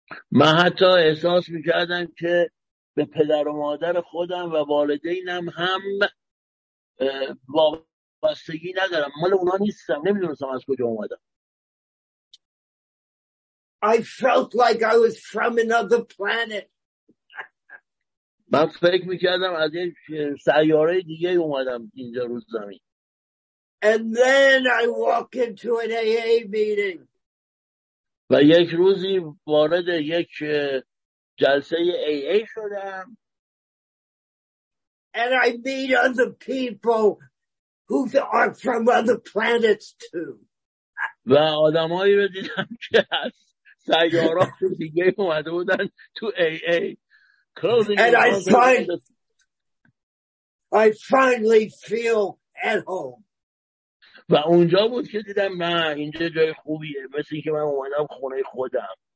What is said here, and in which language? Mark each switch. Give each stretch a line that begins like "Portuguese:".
Persian: من حتی احساس می‌کردم که به پدر و مادر خودم و والدینم هم وابستگی ندارم. مال اونا نیستم. نمی‌دونستم از کجا اومدم.
English: I felt like I was from another planet.
Persian: من فکر می‌کردم از یک سیاره دیگه اومدم اینجا روز زمین.
English: And then I walk into an AA meeting.
Persian: و یک روزی وارد یک جلسه AA شدم.
English: And I meet other people who are from other planets too.
Persian: و آدمایی رو دیدم که از سیارات دیگه اومده بودن تو AA.
English: clothing. And I finally feel at home.
Persian: و اونجا بود که دیدم نه اینجا جای خوبیه، مثل اینکه من اومدم خونه خودم.